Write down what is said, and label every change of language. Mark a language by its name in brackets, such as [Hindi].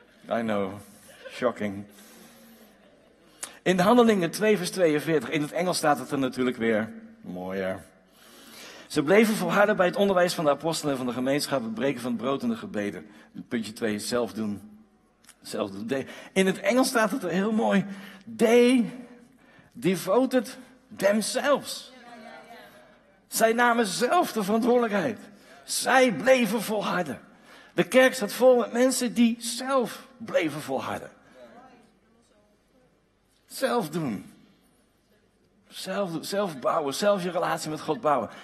[English] I know. Shocking. [Dutch] In Handelingen 2 vers 42. In het Engels staat het er natuurlijk weer. Mooier. Ze bleven volharden bij het onderwijs van de apostelen en van de gemeenschap. Het breken van het brood en de gebeden. Puntje 2. Zelf doen. Zelf doen. In het Engels staat het er heel mooi. [English] They devoted themselves. [Dutch] Zij namen zelf de verantwoordelijkheid. Zij bleven volharden. De kerk zat vol met mensen die zelf bleven volharden. Zelf doen. Zelf bouwen. Zelf je relatie met God bouwen.